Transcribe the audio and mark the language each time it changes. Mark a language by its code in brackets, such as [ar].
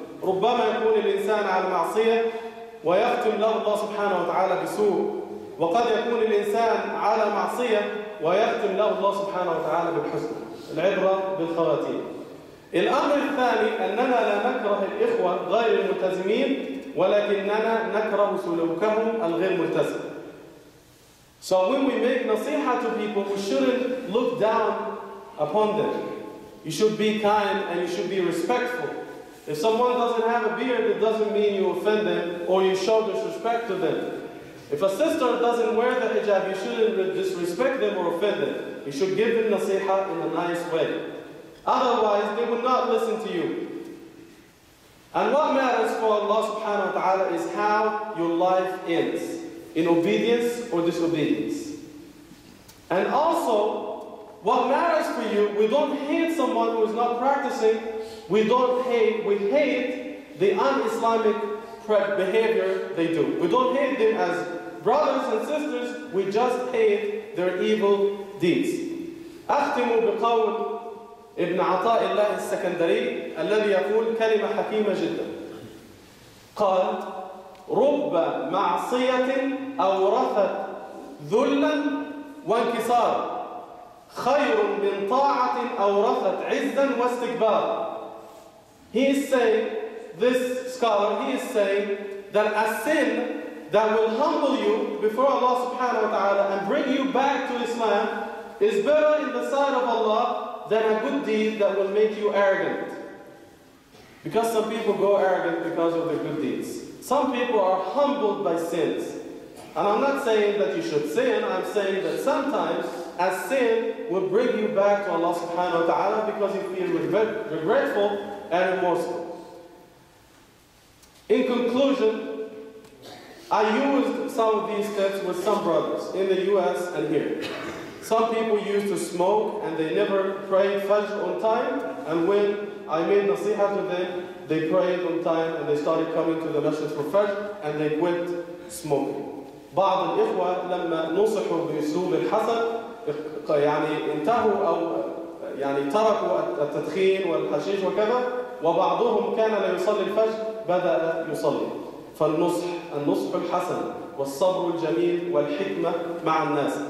[ar] ربما يكون الإنسان على معصية ويختم له الله سبحانه وتعالى بسوء، وقد يكون الإنسان على معصية ويختم له الله سبحانه وتعالى بالحسنى. العبرة بالخواتيم. الأمر الثاني أننا لا نكره الإخوة غير الملتزمين وَلَكِنَّنَا نَكْرَهُ سُلُوكَهُمْ الْغِيرْ مُلْتَزِمْ. [en] So when we make nasiha to people, we shouldn't look down upon them. You should be kind and you should be respectful. If someone doesn't have a beard, it doesn't mean you offend them or you show disrespect to them. If a sister doesn't wear the hijab, you shouldn't disrespect them or offend them. You should give them nasiha in a nice way. Otherwise, they will not listen to you. And what matters for Allah subhanahu wa ta'ala is how your life ends, in obedience or disobedience. And also, what matters for you, we don't hate someone who is not practicing, we don't hate, we hate the un-Islamic behavior they do. We don't hate them as brothers and sisters, we just hate their evil deeds. [ar] أختم بقول ابن عطاء الله السكندري الذي يقول كلمة حكيمة جدا. قال رب معصية أورثت ذلا وانكسارا خير من طاعة أورثت عزا واستكبارا. [en] He is saying, this scholar, he is saying that a sin that will humble you before Allah subhanahu wa ta'ala and bring you back to Islam is better in the sight of Allah than a good deed that will make you arrogant. Because some people go arrogant because of their good deeds. Some people are humbled by sins. And I'm not saying that you should sin, I'm saying that sometimes a sin will bring you back to Allah subhanahu wa ta'ala because you feel regretful and remorseful. In conclusion, I used some of these steps with some brothers in the US and here. Some people used to smoke and they never prayed Fajr on time, and when I made nasiha to them, they prayed on time and they started coming to the masjid for Fajr and they quit smoking. [ar] بعض الإخوة لما نصحوا بأسلوب الحسن يعني انتهوا أو يعني تركوا التدخين والحشيش وكذا، وبعضهم كان لا يصلي الفجر بدأ يصلي. فالنصح النصح الحسن والصبر الجميل والحكمة مع الناس.